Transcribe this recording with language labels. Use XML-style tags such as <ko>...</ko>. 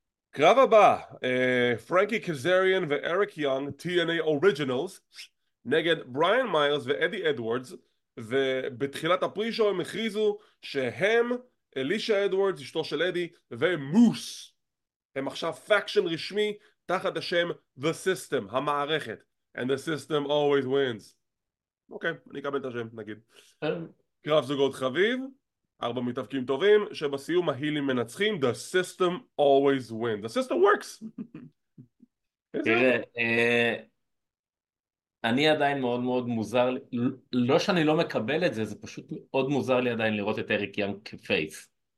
<he>קרב הבא, פרנקי קזריאן ואריק יונג, TNA אוריג'ינלס, נגד בריאן מיירס ואדי אדוורדס, ובתחילת הפרישו הם הכריזו שהם, אלישה אדוורדס, אשתו של אדי, ומוס הם עכשיו פאקשן רשמי תחת השם The System, המערכת.</he> <en>And the system always wins.</en> <he>אוקיי, אני אקבל את השם, נגיד. קרב זוגות חביב, ארבע מתאבקים טובים, שבסיום ההילים מנצחים,</he> <en>The System always wins. The System works!</en> <he>תראה, אני עדיין מאוד מאוד מוזר, לא שאני לא מקבל את זה, זה פשוט מאוד מוזר לי עדיין לראות את אריק יאנג כפייס.</he>